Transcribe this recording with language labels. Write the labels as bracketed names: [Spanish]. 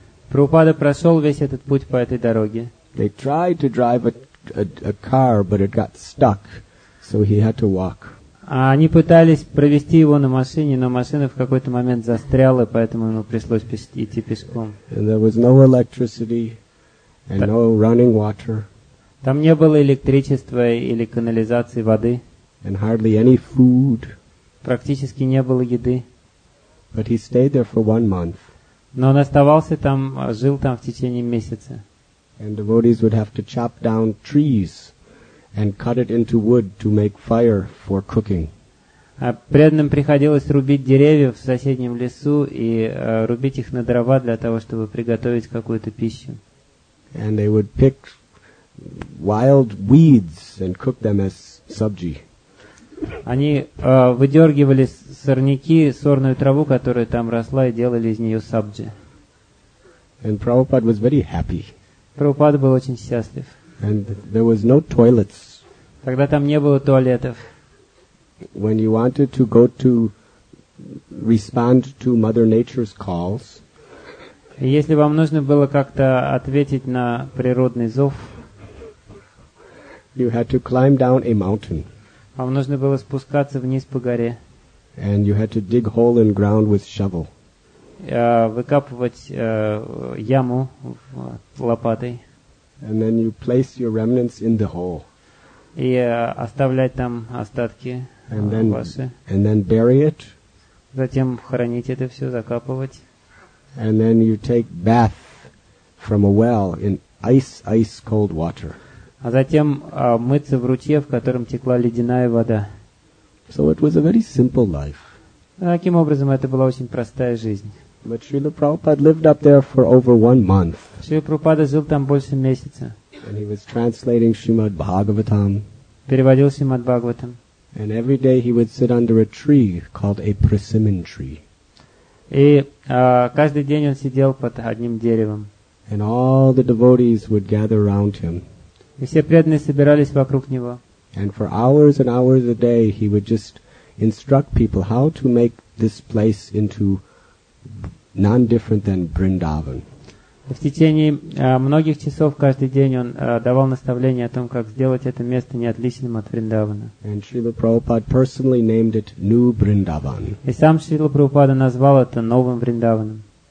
[Russian] Прабхупада прошел весь этот путь по этой дороге. [English] They tried to drive a car, but it got stuck, so he had to walk. [Russian] Они пытались провести его на машине, но машина в какой-то момент застряла, поэтому ему пришлось идти пешком. [English] And there was no electricity and no running water. [Russian] Там не было электричества или канализации воды. [English] And hardly any food. [Russian] Практически не было еды. [English] But he stayed there for 1 month. [Russian] Но он оставался там, жил там в течение месяца. [English] And devotees would have to chop down trees and cut it into wood to make fire for cooking. [Russian] Преданным приходилось рубить деревья в соседнем лесу и рубить их на дрова для того, чтобы приготовить какую-то пищу. [English] And they would pick wild weeds and cook them as sabji. [Russian] Они выдергивали сорняки, сорную траву, которая там росла, и делали из нее сабджи. [English] And Prabhupada was very happy. [Russian] Прабхупада был очень счастлив. [English] And there was no toilets. [Russian] Тогда там не было туалетов. [English] When you wanted to go to respond to Mother Nature's calls, [Russian] если вам нужно было как-то ответить на природный зов, [English] you had to climb down a mountain. [Russian] Вам нужно было спускаться вниз по горе. [English] And you had to dig hole in ground with shovel. [Russian] Выкапывать яму лопатой. [English] And then you place your remnants in the hole. [Russian] И оставлять там остатки ваши. [English] And then bury it. [Russian] Затем хоронить это все, закапывать. [English] And then you take bath from a well in ice cold water. [Russian] А затем мыться в ручье, в котором текла ледяная вода. [English] So it was a very simple life. [Russian] Таким образом, это была очень простая жизнь. [English] But Srila Prabhupada lived up there for over 1 month. [Russian] Srila Prabhupada жил там больше месяца. [English] And he was translating Srimad Bhagavatam. [Russian] Переводил Srimad Bhagavatam. [English] And every day he would sit under a tree called a persimmon tree. [Russian] И каждый день он сидел под одним деревом. [English] And all the devotees would gather around him. [Russian] И все преданные собирались вокруг него. [English] And for hours and hours a day he would just instruct people how to make this place into non-different than Vrindavan. [Russian] В течение многих часов каждый день он давал наставления о том, как сделать это место неотличным от Вриндавана. [English] And Srila Prabhupada personally named it New Vrindavan. [Russian] И сам Srila Prabhupada назвал это новым Вриндаваном.